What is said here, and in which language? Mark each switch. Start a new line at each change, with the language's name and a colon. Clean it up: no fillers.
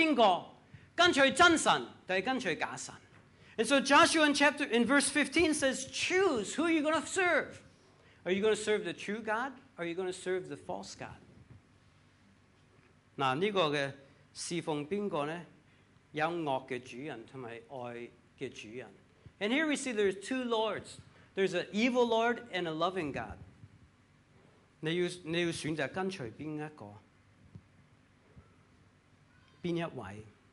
Chinese: 所以約書亞在這裡的15節說你要選擇你要跟隨誰，跟隨真神還是跟隨假神。
English: And so Joshua in chapter in verse 15 says, choose who you're going to serve. Are you going to serve the true God? Or are you going to serve the false God?
Chinese: 那这个侍奉边个呢？有恶的主人和爱的主人。
English: And here we see there's two lords. There's an evil lord and a loving God.
Chinese: 你要选择跟随哪一个？哪一位？